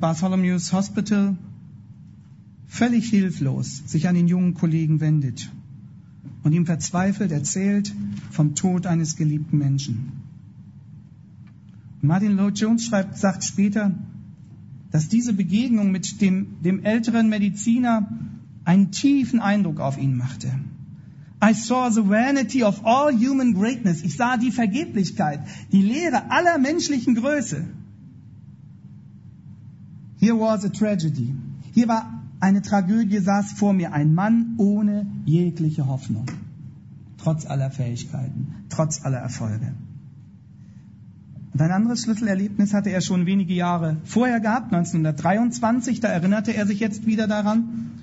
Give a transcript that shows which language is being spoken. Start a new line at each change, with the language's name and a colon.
German: Bartholomew's Hospital völlig hilflos sich an den jungen Kollegen wendet und ihm verzweifelt erzählt vom Tod eines geliebten Menschen. Martin Lloyd-Jones sagt später, dass diese Begegnung mit dem älteren Mediziner einen tiefen Eindruck auf ihn machte.
English: I saw the vanity of all human greatness.
German: Ich sah die Vergeblichkeit, die Leere aller menschlichen Größe.
English: Here was a tragedy.
German: Hier war eine Tragödie, saß vor mir ein Mann ohne jegliche Hoffnung. Trotz aller Fähigkeiten, trotz aller Erfolge. Und ein anderes Schlüsselerlebnis hatte er schon wenige Jahre vorher gehabt, 1923, da erinnerte er sich jetzt wieder daran.